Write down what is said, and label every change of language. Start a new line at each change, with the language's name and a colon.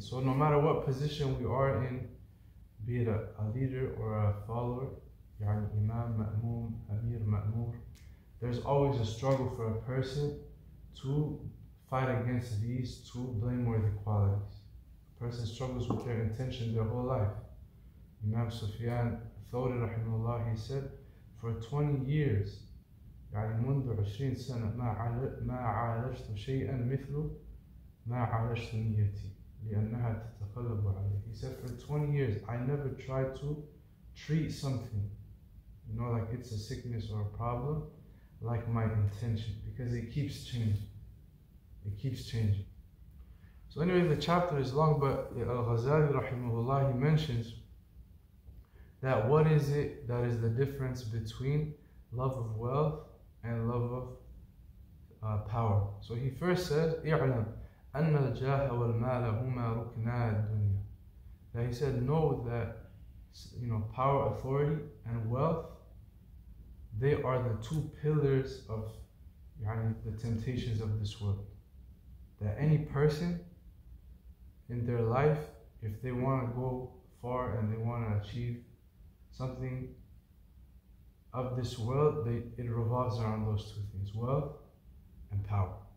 English: So no matter what position we are in, be it a leader or a follower, يعني imam, ma'mum, amir, ma'mur, there's always a struggle for a person to fight against these two blameworthy qualities. A person struggles with their intention their whole life. Imam Sufyan Thawri rahimahullah, he said, for 20 years,
Arabic: يعني منذ 20 سنة ما عالجت شيئا مثل ما عالجت نيتي لأنها تتقلب علي.
English: He said, for 20 years, I never tried to treat something, you know, like it's a sickness or a problem, like my intention, because it keeps changing. It keeps changing. So anyway, the chapter is long, but Al-Ghazali rahimahullah, he mentions that what is it that is the difference between love of wealth and love of power? So he first says,
Arabic: اعلم أن الجاه والمال هما ركنا الدنيا.
English: That he said, know that, you know, power, authority, and wealth, they are the two pillars of, يعني, the temptations of this world. That any person in their life, if they want to go far and they want to achieve something of this world, it revolves around those two things, wealth and power.